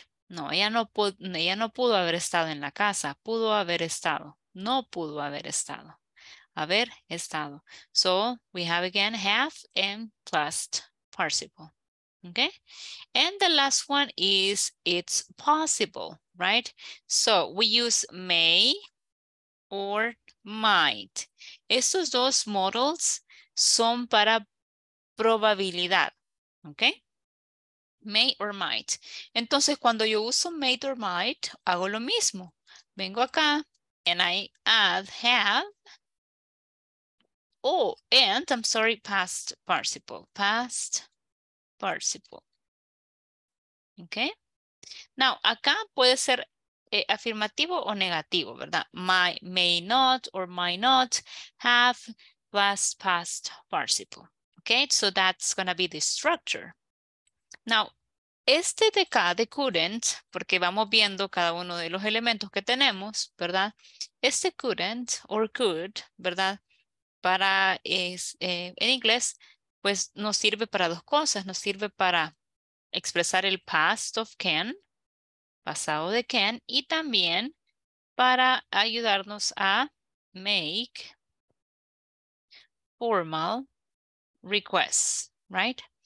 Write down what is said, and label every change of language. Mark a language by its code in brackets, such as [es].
[es] No, ella no pudo haber estado en la casa. Pudo haber estado. No pudo haber estado. Haber estado. [en] So we have again have and plus participle, okay? And the last one is it's possible, right? So we use may or might. [es] Estos dos models son para probabilidad, ¿ok? [en] May or might. [es] Entonces, cuando yo uso may or might, hago lo mismo. Vengo acá, [en] and I add have, oh, and, I'm sorry, past participle. Past participle. ¿Ok? Now, [es] acá puede ser afirmativo o negativo, ¿verdad? [en] May not or might not have plus past participle. Okay, so that's going to be the structure. Now, [es] este de acá, de couldn't, porque vamos viendo cada uno de los elementos que tenemos, ¿verdad? Este couldn't or could, ¿verdad? Para, en inglés, pues nos sirve para dos cosas. Nos sirve para expresar el past of can, pasado de can, y también para ayudarnos a [en] make formal requests, right?